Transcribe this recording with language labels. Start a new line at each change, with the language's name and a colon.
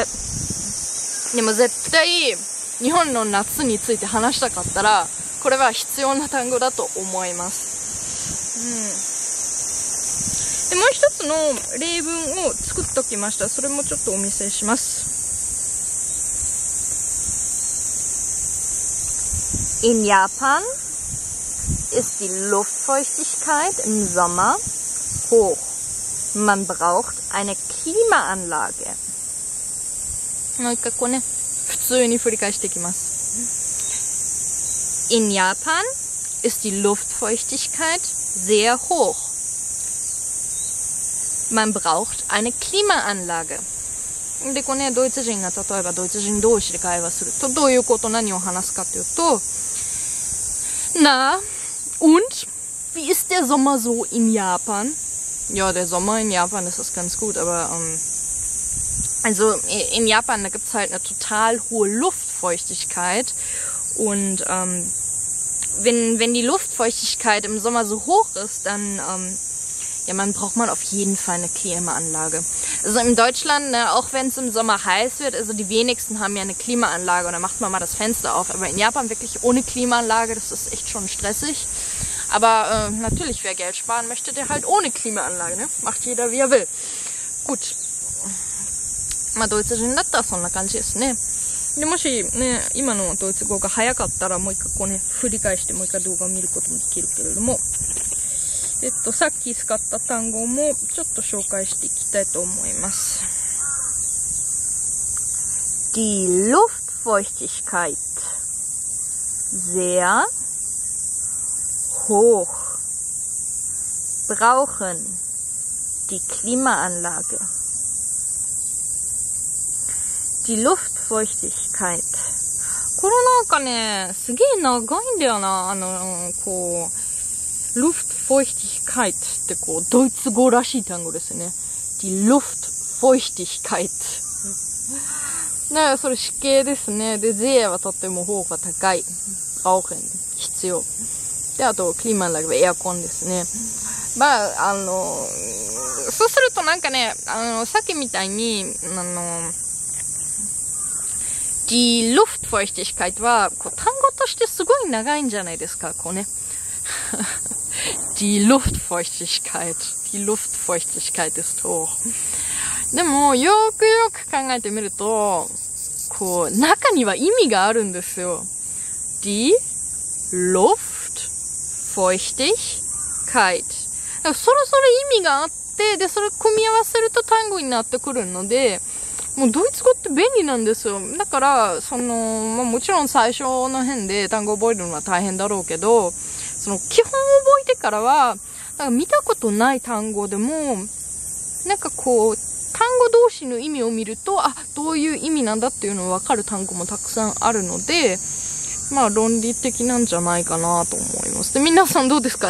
Japanese: でも絶対日本の夏について話したかったら、これは必要な単語だと思います。で、もう一つの例文を作っときました。それもちょっとお見せします。
German: In Japan ist die Luftfeuchtigkeit im Sommer hoch. Man braucht eine Klimaanlage.
Japanese: もう一回こうね、普通に振り返していきます。
German: In Japan ist die Luftfeuchtigkeit sehr hoch. Man braucht eine Klimaanlage.
Japanese: で、こうね、ドイツ人が例えばドイツ人同士で会話すると、どういうこと、何を話すかというと、
German: Na, und wie ist der Sommer so in Japan? Ja, der Sommer in Japan, das ist ganz gut, aber also in Japan, da gibt's halt eine total hohe Luftfeuchtigkeit. Und wenn die Luftfeuchtigkeit im Sommer so hoch ist, dann braucht man auf jeden Fall eine Klimaanlage. Also in Deutschland, ne, auch wenn es im Sommer heiß wird, also die wenigsten haben ja eine Klimaanlage und da macht man mal das Fenster auf. Aber in Japan wirklich ohne Klimaanlage, das ist echt schon stressig. Aber natürlich, wer Geld sparen möchte, der halt ohne Klimaanlage, ne? Macht jeder, wie er will. Gut.
Japanese: まあドイツ人だったらそんな感じですね。で、もしね、今のドイツ語が早かったら、もう一回こうね、振り返してもう一回動画を見ることもできるけれども、さっき使った単語もちょっと紹介していきたいと思います。
German: Die Luftfeuchtigkeit sehr hoch. brauchen die Klimaanlage. Die Luftfeuchtigkeit.
Japanese: これなんかね、すげえ長いんだよな。あの、こう、Luftfeuchtigkeit ってこう、ドイツ語らしい単語ですね。
German: Die Luftfeuchtigkeit。
Japanese: ね、それ湿気ですね。で、sehr はとっても方が高い。brauchen、必要。で、あと、Klimaanlage はエアコンですね。まあ、あの、そうするとなんかね、あの、さっきみたいに、あの、Die Luftfeuchtigkeit は、こう、単語としてすごい長いんじゃないですか、こうね。
German: Die Luftfeuchtigkeit. Die Luftfeuchtigkeit ist hoch.
Japanese: でも、よくよく考えてみると、こう、中には意味があるんですよ。
German: Die Luftfeuchtigkeit。
Japanese: そろそろ意味があって、で、それを組み合わせると単語になってくるので、もうドイツ語って便利なんですよ。だから、その、まあもちろん最初の辺で単語覚えるのは大変だろうけど、その基本を覚えてからは、なんか見たことない単語でも、なんかこう、単語同士の意味を見ると、あ、どういう意味なんだっていうのをわかる単語もたくさんあるので、まあ論理的なんじゃないかなと思います。で、皆さんどうですか？